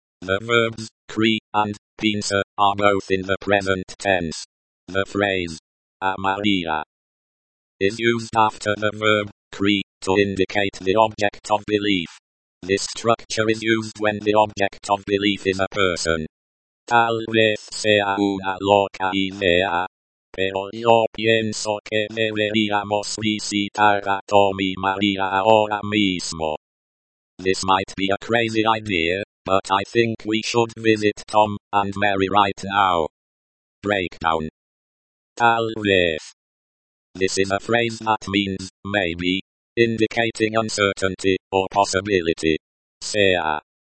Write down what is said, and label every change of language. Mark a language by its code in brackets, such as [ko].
[en] The verbs, cree, and, piensa, are both in the present tense. The phrase, a María, is used after the verb, cree, to indicate the object of belief. This structure is used when the object of belief is a person. [es] Tal vez sea una loca idea. Pero yo pienso que deberíamos visitar a Tom y María ahora mismo. [en] This might be a crazy idea, but I think we should visit Tom and Mary right now. Breakdown. Tal vez. This is a phrase that means, maybe, indicating uncertainty or possibility. Sea.